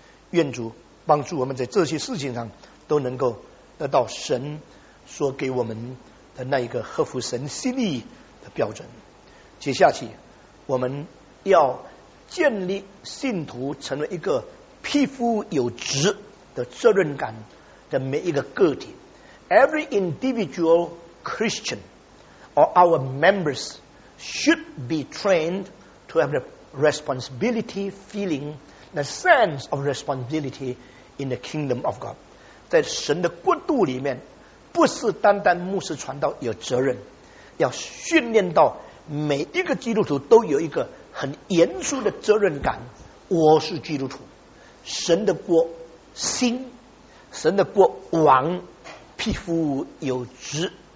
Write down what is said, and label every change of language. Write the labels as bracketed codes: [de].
[zh] 愿主帮助我们在这些事情上都能够得到神所给我们的那一个合乎神心意的标准。接下去我们要建立信徒成为一个匹夫有职的责任感的每一个个体。 [en] Every individual Christian or our members should be trained to have the responsibility feeling, the sense of responsibility in the kingdom of God. [zh] 在神的国度里面，不是单单牧师传道有责任，要训练到每一个基督徒都有一个很严肃的责任感。我是基督徒，神的国兴，神的国王，匹夫有职。